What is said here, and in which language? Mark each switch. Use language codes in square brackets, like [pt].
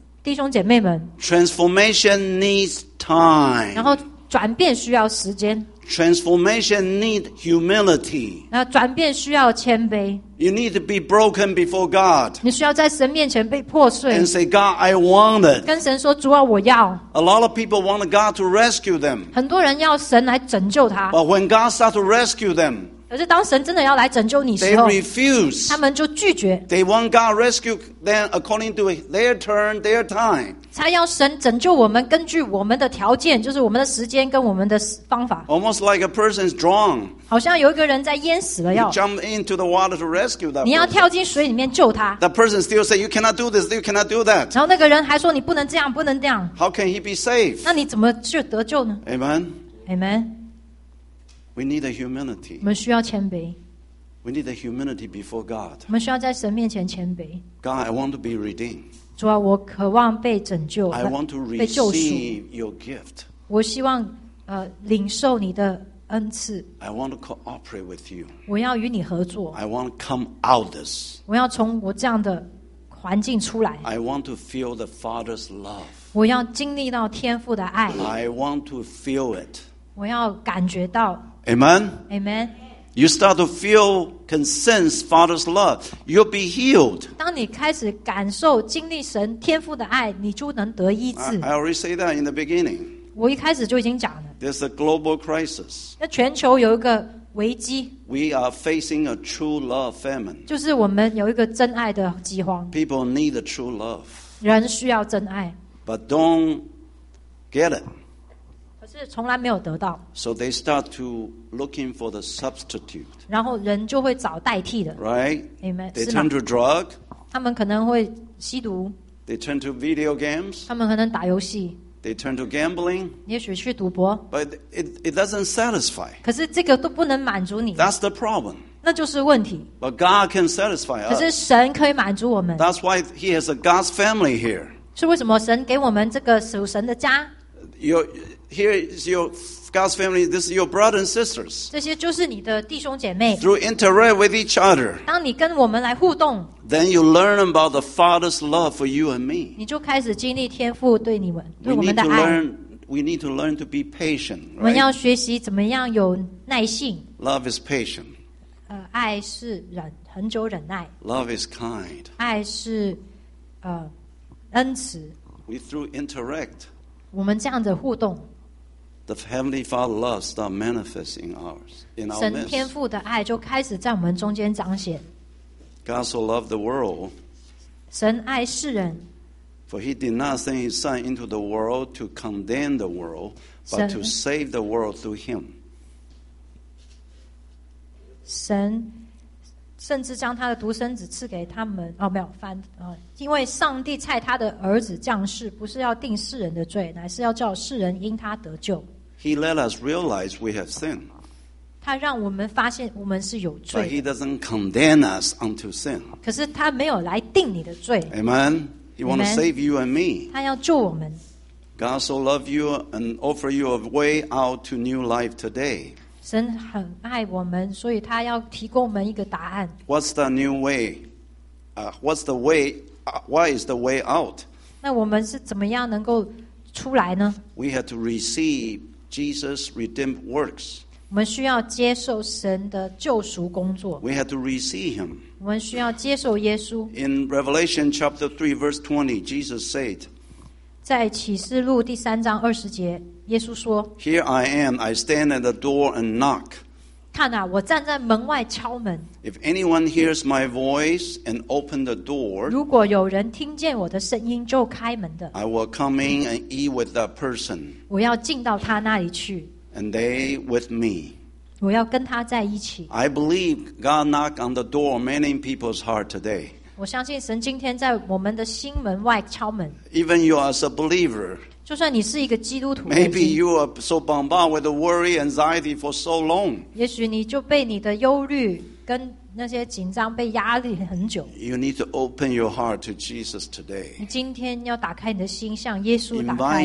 [zh] 弟兄姐妹们 [en] Transformation needs time [zh] 然后转变需要时间 [en] Transformation needs humility [zh] 然后转变需要谦卑 [en] You need to be broken before God [zh] 你需要在神面前被破碎 [en] And say God I want it [zh] 跟神说主啊我要 [en] A lot of people want God to rescue them [zh] 很多人要神来拯救他 [en] But when God starts to rescue them [zh] 可是当神真的要来拯救你的时候 [en] They refuse [zh] 他们就拒绝 [en] They want God rescue Then according to their turn, their time. [zh] 才要神拯救我们，根据我们的条件，就是我们的时间跟我们的方法。 [en] Almost like a person is drowned. [zh] 好像有一个人在淹死了，要 [en] jump into the water to rescue that. [zh] 你要跳进水里面救他。 [en] The person still say, "You cannot do this. You cannot do that." [zh] 然后那个人还说，你不能这样，不能这样。 [en] How can he be saved? [zh] 那你怎么去得救呢？ [en] Amen. Amen. We need a humility. [zh] 我们需要谦卑。 [en] We need the humility before God. [zh] 我们需要在神面前谦卑。 [en] God, I want to be redeemed. [zh] 主啊，我渴望被拯救。 [en] I want to receive your gift. [zh] 我希望领受你的恩赐。 [en] I want to cooperate with you. [zh] 我要与你合作。 [en] I want to come out of this. [zh] 我要从我这样的环境出来。 [en] I want to feel the Father's love. [zh] 我要经历到天父的爱。 [en] I want to feel it. [zh] 我要感觉到。 [en] Amen. Amen. You start to feel, can sense Father's love. You'll be healed. [zh] 当你开始感受经历神天父的爱，你就能得医治。 [en] I already say that in the beginning. [zh] 我一开始就已经讲了。 [en] There's a global crisis. [zh] 那全球有一个危机。 [en] We are facing a true love famine. [zh] 就是我们有一个真爱的饥荒。 [en] People need a true love. [zh] 人需要真爱。 [en] But don't get it. [zh] 是从来没有得到 [en] So they start to looking for the substitute [zh] 然后人就会找代替的 [en] Right Amen They turn to drug [zh] 他们可能会吸毒 [en] They turn to video games [zh] 他们可能打游戏 [en] They turn to gambling [zh] 也许去赌博 [en] But it doesn't satisfy [zh] 可是这个都不能满足你 [en] That's the problem [zh] 那就是问题 [en] But God can satisfy us [zh] 可是神可以满足我们 [en] That's why he has a God's family here [zh] 是为什么神给我们这个属神的家 [en] Here is your God's family. This is your brothers and sisters. [zh] 这些就是你的弟兄姐妹。 [en] Through interact with each other. [zh] 当你跟我们来互动。 [en] Then you learn about the Father's love for you and me. [zh] 你就开始经历天父对你们对我们的爱。 [en] We need to learn to be patient. [zh] 我们要学习怎么样有耐性。 [en] Love is patient. [zh] 爱是忍很久忍耐。 [en] Love is kind. [zh] 爱是恩慈。 [en] We through interact. [zh] 我们这样的互动 [en] ，The Heavenly Father love start manifest in ours. In our [zh] 神天父的爱就开始在我们中间彰显。 [en] God so loved the world. [zh] 神爱世人。 [en] For He did not send His Son into the world to condemn the world, but to save the world through Him. [zh] 神甚至将他的独生子赐给他们哦，没有翻哦，因为上帝差他的儿子降世，不是要定世人的罪，乃是要叫世人因他得救。 [en] He let us realize we have sin. [zh] 他让我们发现我们是有罪。 [en] But he doesn't condemn us unto sin. [zh] 可是他没有来定你的罪。 [en] Amen. He wants to save you and me. [zh] 他要救我们。 [en] God so loved you and offer you a way out to new life today. [zh] 神很爱我们，所以他要提供我们一个答案。 [en] What's the new way? What is the way out? [zh] 那我们是怎么样能够出来呢？ [en] We have to receive Jesus' redemptive works. [zh] 我们需要接受神的救赎工作。 [en] We have to receive him. [zh] 我们需要接受耶稣。 [en] In Revelation chapter 3 verse 20, Jesus said, [zh] 在启示录第三章二十节，耶稣说， [en] Here I am, I stand at the door and knock. [zh] 看啊，我站在门外敲门。 [en] If anyone hears my voice and open the door, [zh] 如果有人听见我的声音就开门的， [en] I will come in and eat with that person. [zh] 我要进到他那里去。 [en] And they with me. [zh] 我要跟他在一起。 [en] I believe God knocked on the door of many people's heart today. [zh] 我相信神今天在我们的心门外敲门。 [en] Even you as a believer, [zh] 就算你是一个基督徒， [en] maybe you are so bombarded with worry and anxiety for so long. [zh] 也许你就被你的忧虑跟那些紧张被压力很久。 [en] You need to open your heart to Jesus today. [zh] 你今天要打开你的心，向耶稣打开。